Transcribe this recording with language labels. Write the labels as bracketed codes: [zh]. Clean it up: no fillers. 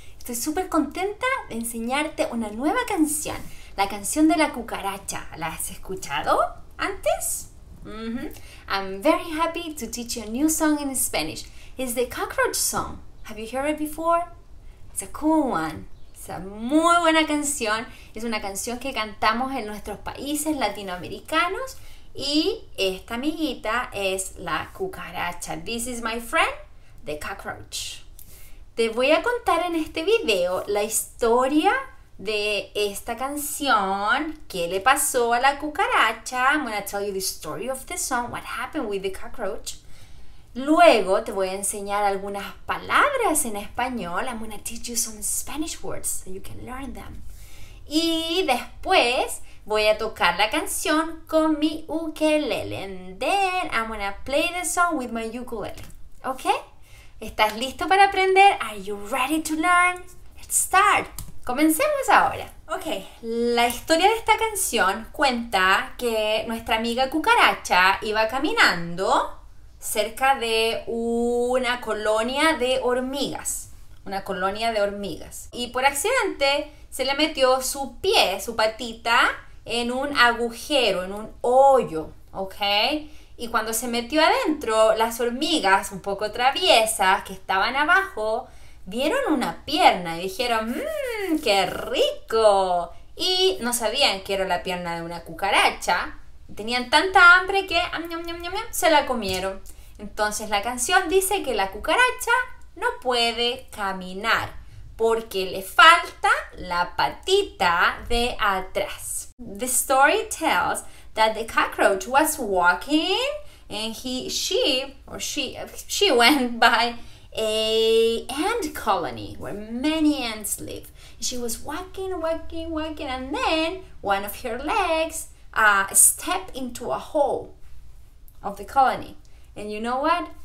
[es] Estoy súper contenta de enseñarte una nueva canción, la canción de la cucaracha. ¿La has escuchado antes? [en] I'm very happy to teach you a new song in Spanish. It's the cockroach song. Have you heard it before? It's a cool one. [es] Es una muy buena canción. Es una canción que cantamos en nuestros países latinoamericanos. Y esta amiguita es la cucaracha. [en] This is my friend, the cockroach. [es] Te voy a contar en este video la historia de esta canción. ¿Qué le pasó a la cucaracha? [en] I'm gonna tell you the story of the song. What happened with the cockroach? [es] Luego te voy a enseñar algunas palabras en español. [en] I'm gonna teach you some Spanish words so you can learn them. [es] Y después voy a tocar la canción con mi ukelele. [en] And then I'm gonna play the song with my ukulele. ¿Ok? [es] ¿Estás listo para aprender? [en] Are you ready to learn? Let's start. [es] Comencemos ahora. Ok, la historia de esta canción cuenta que nuestra amiga cucaracha iba caminando cerca de una colonia de hormigas. Una colonia de hormigas. Y por accidente se le metió su pie, su patita, en un agujero, en un hoyo, ¿ok? Y cuando se metió adentro, las hormigas, un poco traviesas, que estaban abajo, vieron una pierna y dijeron, ¡qué rico! Y no sabían que era la pierna de una cucaracha. Tenían tanta hambre que, ¡am, ñam, ñam, ñam!, se la comieron. Entonces la canción dice que la cucaracha no puede caminar porque le falta la patita de atrás. [en] The story tells that the cockroach was walking and she went by a ant colony where many ants live. She was walking, walking, walking, and then one of her legs stepped into a hole of the colony. And you know what?